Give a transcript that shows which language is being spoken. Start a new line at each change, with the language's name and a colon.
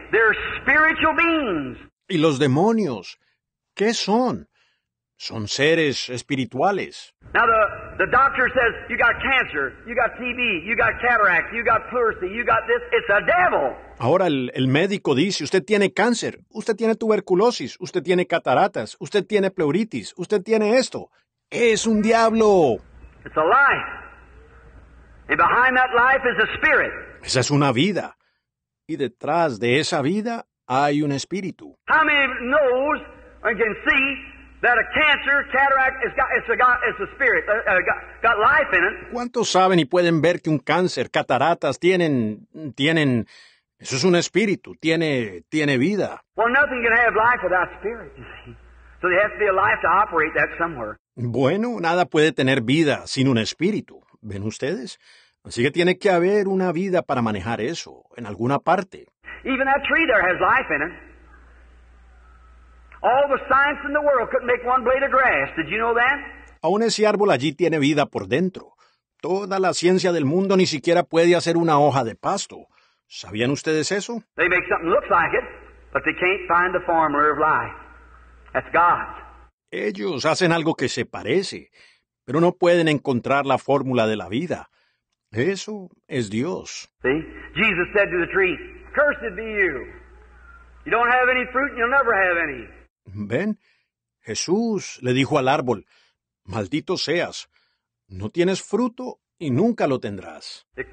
English: They're spiritual beings.
Spanish: ¿Y los demonios? ¿Qué son? Son seres espirituales.
English: Now the doctor says you got cancer, you got TB, you got cataract, you got pleurisy, you got this. It's a devil.
Spanish: Ahora el médico dice, usted tiene cáncer, usted tiene tuberculosis, usted tiene cataratas, usted tiene pleuritis, usted tiene esto. Es un diablo.
English: It's a life. And behind that life is a spirit.
Spanish: Esa es una vida. Y detrás de esa vida hay un espíritu.
English: How many knows and can see that a cancer, cataract, it's a spirit, got life in it?
Spanish: ¿Cuántos saben y pueden ver que un cáncer, cataratas, tienen, eso es un espíritu, tiene vida?
English: Well, nothing can have life without spirit, you see. So there has to be a life to operate that somewhere.
Spanish: Bueno, nada puede tener vida sin un espíritu, ¿ven ustedes? Así que tiene que haber una vida para manejar eso, en alguna parte.
English: Even that tree there has life in it. All the science in the world couldn't make one blade of grass. Did you know that?
Spanish: Aún ese árbol allí tiene vida por dentro. Toda la ciencia del mundo ni siquiera puede hacer una hoja de pasto. ¿Sabían ustedes eso?
English: They make something look like it, but they can't find the formula of life. That's God.
Spanish: Ellos hacen algo que se parece, pero no pueden encontrar la fórmula de la vida. Eso es Dios.
English: See? Jesus said to the tree, "Cursed be you. You don't have any fruit and you'll never have any."
Spanish: ¿Ven? Jesús le dijo al árbol, maldito seas, no tienes fruto y nunca lo tendrás.